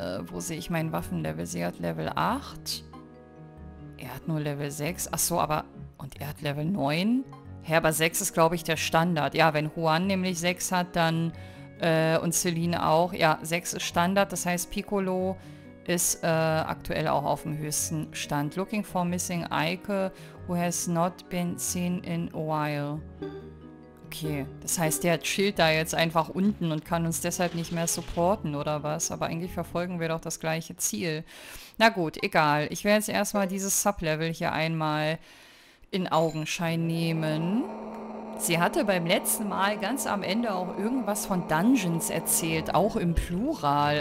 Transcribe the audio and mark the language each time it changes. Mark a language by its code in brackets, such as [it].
[de] Wo sehe ich meinen Waffenlevel? Sie hat Level 8. Er hat nur Level 6. Ach so, aber... Und er hat Level 9? Hä, aber 6 ist, glaube ich, der Standard. Ja, wenn Juan nämlich 6 hat, dann... und Celine auch. Ja, 6 ist Standard. Das heißt, Piccolo ist aktuell auch auf dem höchsten Stand. [en] Looking for missing Eike, who has not been seen in a while. [de] Okay, das heißt, der chillt da jetzt einfach unten und kann uns deshalb nicht mehr supporten oder was. Aber eigentlich verfolgen wir doch das gleiche Ziel. Na gut, egal. Ich werde jetzt erstmal dieses Sublevel hier einmal in Augenschein nehmen. Sie hatte beim letzten Mal ganz am Ende auch irgendwas von Dungeons erzählt, auch im Plural.